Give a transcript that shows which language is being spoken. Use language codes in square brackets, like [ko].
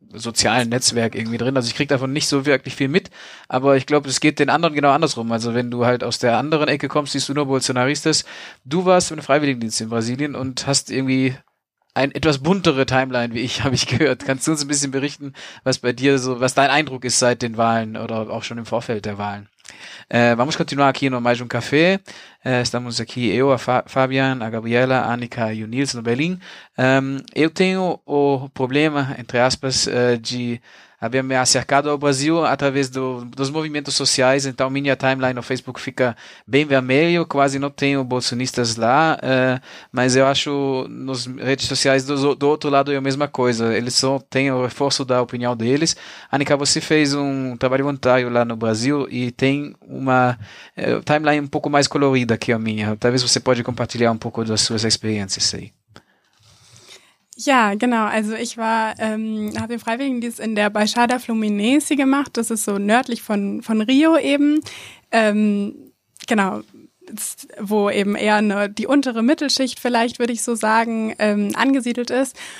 [de] sozialen Netzwerk irgendwie drin. Also ich kriege davon nicht so wirklich viel mit, aber ich glaube, es geht den anderen genau andersrum. Also wenn du halt aus der anderen Ecke kommst, siehst du nur Bolsonaristas. Du warst im Freiwilligendienst in Brasilien und hast irgendwie eine etwas buntere Timeline wie ich, habe ich gehört. Kannst du uns ein bisschen berichten, was bei dir so, was dein Eindruck ist seit den Wahlen oder auch schon im Vorfeld der Wahlen? [pt] Vamos continuar aqui no mais café. Estamos aqui eu, a Fabian, a Gabriela, a Annika e o Nils no Berlim. Eu tenho o problema, entre aspas, de haver me acercado ao Brasil através dos movimentos sociais. Então minha timeline no Facebook fica bem vermelho, quase não tenho bolsonistas lá, mas eu acho nas redes sociais do outro lado é a mesma coisa, eles só têm o reforço da opinião deles. Annika, você fez um trabalho voluntário lá no Brasil e tem uma timeline um pouco mais colorida que a minha, talvez você pode compartilhar um pouco das suas experiências aí. [de] Ja, genau. Also ich war, habe den Freiwilligendienst in der Baixada Fluminense gemacht. Das ist so nördlich von Rio eben. Genau, wo eben eher eine, die untere Mittelschicht vielleicht, würde ich so sagen, angesiedelt ist.